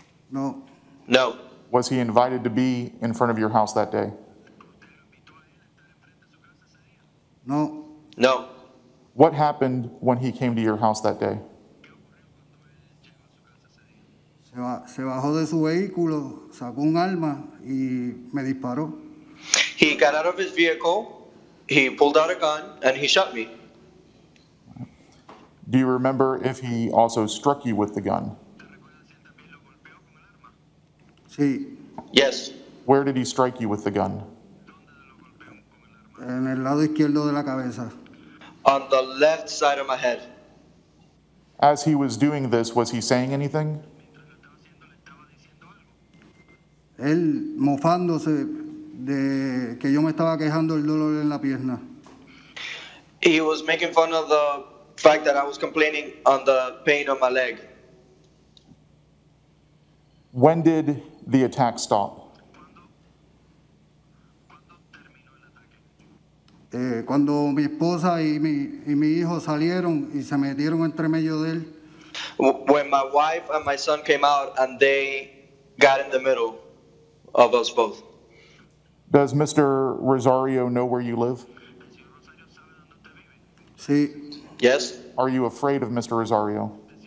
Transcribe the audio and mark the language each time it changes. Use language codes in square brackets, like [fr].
[en] No. No. Was he invited to be in front of your house that day? No. No. What happened when he came to your house that day? [es] Se bajó de su vehículo, sacó un arma y me disparó. [en] He got out of his vehicle, he pulled out a gun, and he shot me. Do you remember if he also struck you with the gun? [es] Sí. [en] Yes. Where did he strike you with the gun? [es] En el lado izquierdo de la cabeza. [en] On the left side of my head. As he was doing this, was he saying anything? [es] Él mofándose de que yo me estaba quejando el dolor en la pierna. [en] He was making fun of the fact that I was complaining on the pain on my leg. When did the attack stop? [es] Cuando mi esposa y mi hijo salieron y se metieron entre medio de él. [en] When my wife and my son came out and they got in the middle of us both. Does Mr. Rosario know where you live? [es] Sí. [en] Yes. Are you afraid of Mr. Rosario?